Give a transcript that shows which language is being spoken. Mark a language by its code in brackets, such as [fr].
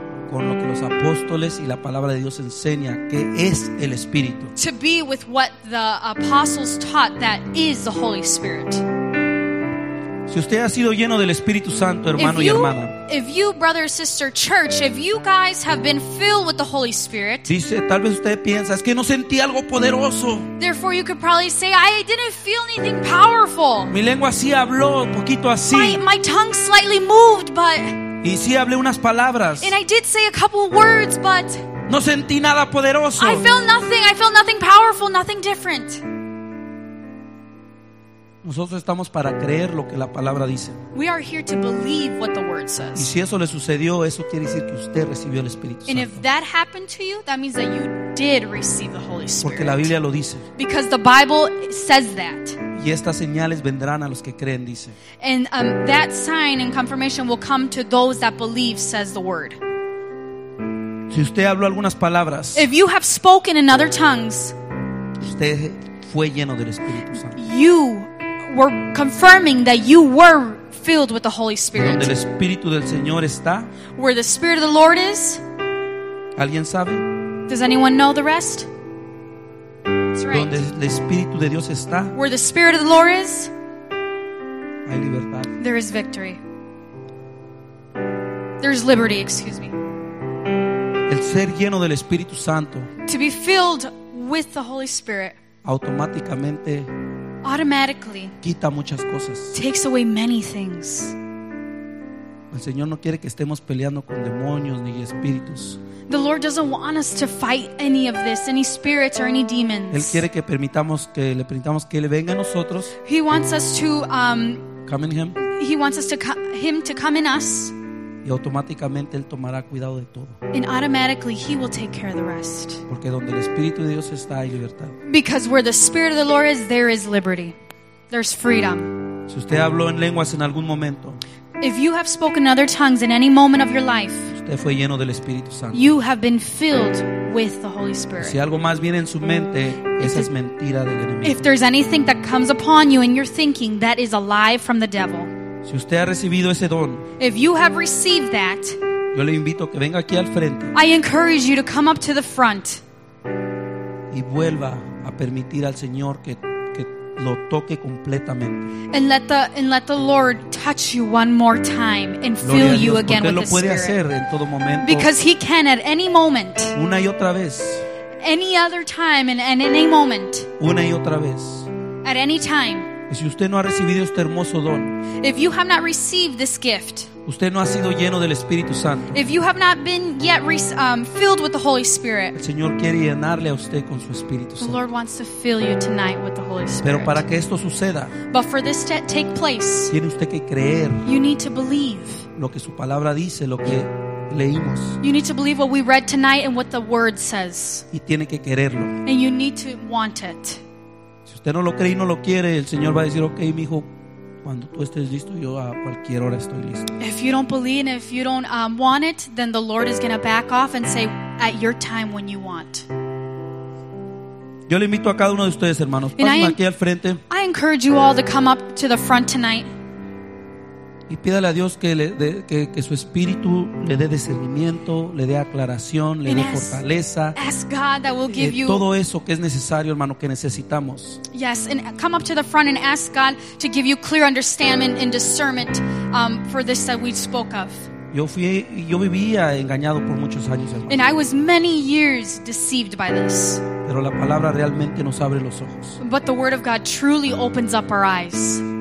[es] con lo que los apóstoles y la palabra de Dios enseña, que es el Espíritu. [en] To be with what the apostles taught that is the Holy Spirit. [es] Si usted ha sido lleno del Espíritu Santo, hermano y hermana. [en] If you, brother, sister, church, if you guys have been filled with the Holy Spirit. [es] Dice, tal vez usted piensa, es que no sentí algo poderoso. [en] Therefore you could probably say, I didn't feel anything powerful. [es] Mi lengua sí habló, poquito así. [en] My tongue slightly moved, but. [es] Y sí hablé unas palabras. [en] And I did say a couple words, but [es] no sentí nada poderoso. [en] I felt nothing powerful, nothing different. [es] Nosotros estamos para creer lo que la palabra dice. [en] We are here to believe what the word says. [es] Y si eso le sucedió, eso quiere decir que usted recibió el Espíritu Santo. [en] And if that happened to you, that means that you did receive the Holy Spirit. [es] Porque la Biblia lo dice. [en] Because the Bible says that. [es] Y estas señales vendrán a los que creen, dice. [en] And that sign and confirmation will come to those that believe, says the word. [es] Si usted habló algunas palabras. [en] If you have spoken in other tongues. [es] Usted fue lleno del Espíritu Santo. [en] You were confirming that you were filled with the Holy Spirit. [es] Donde el Espíritu del Señor está. [en] Where the Spirit of the Lord is. [es] ¿Alguien sabe? [en] Does anyone know the rest? Right. [es] Donde el Espíritu de Dios está, [en] where the Spirit of the Lord is, [es] hay libertad. [en] There is victory. There is liberty, excuse me. [es] El ser lleno del Espíritu Santo, [en] to be filled with the Holy Spirit, automatically [es] quita muchas cosas. [en] Takes away many things. [es] El Señor no quiere que estemos peleando con demonios ni espíritus. [en] The Lord doesn't want us to fight any of this, any spirits or any demons. [es] Él quiere que permitamos que le permitamos que él venga a nosotros. [en] He wants us to come in him. He wants us to him to come in us. [es] Y automáticamente él tomará cuidado de todo. [en] And automatically he will take care of the rest. Porque donde el Espíritu de Dios está hay libertad. Because where the Spirit of the Lord is, there is liberty. There's freedom. [es] Si usted habló en lenguas en algún momento. [en] If you have spoken other tongues in any moment of your life, [es] usted fue lleno del Espíritu Santo. [en] You have been filled with the Holy Spirit. [es] Si algo más viene en su mente, esa es mentira del enemigo. [en] If there's anything that comes upon you in your thinking, that is a lie from the devil. [es] Si usted ha recibido ese don, [en] if you have received that, [es] yo le invito a que venga aquí al frente. [en] I encourage you to come up to the front. [es] Y vuelva a permitir al Señor que lo toque completamente. [en] And let the Lord touch you one more time and [es] Gloria [en] fill [es] a Dios, [en] you again with [es] lo [en] the [es] puede [en] Spirit. [es] Hacer en todo momento. [en] Because he can at any moment. [es] Una y otra vez. [en] Any other time and in any moment. [es] Una y otra vez. [en] At any time. [es] Y si usted no ha recibido este hermoso don, [en] if you have not received this gift, [es] usted no ha sido lleno del Espíritu Santo, [en] if you have not been yet filled with the Holy Spirit, [es] el Señor quiere llenarle a usted con su Espíritu Santo. [en] The Lord wants to fill you tonight with the Holy Spirit. [es] Pero para que esto suceda, [en] but for this to take place, [es] tiene usted que creer. [en] You need to believe [es] lo que su palabra dice, lo que leímos. [en] You need to believe what we read tonight and what the word says. [es] Y tiene que quererlo. [en] And you need to want it. [es] Si usted no lo cree y no lo quiere, el Señor va a decir, "Okay, mijo, cuando tú estés listo, yo a cualquier hora estoy listo." [en] If you don't believe and if you don't want it, then the Lord is going to back off and say, "At your time when you want." [es] Yo le invito a cada uno de ustedes, hermanos, pasen aquí al frente. [en] I encourage you all to come up to the front tonight. [es] Y pídale a Dios que le dé que su espíritu le dé discernimiento, le dé aclaración, le dé fortaleza. [en] Ask God that will give you [es] todo eso que es necesario, hermano, que necesitamos. [en] Yes, and come up to the front and ask God to give you clear understanding and discernment for this that we spoke of. [es] Yo vivía engañado por muchos años, hermano. [en] And I was many years deceived by this. [es] Pero la palabra realmente nos abre los ojos. [en] But the word of God truly opens up our eyes.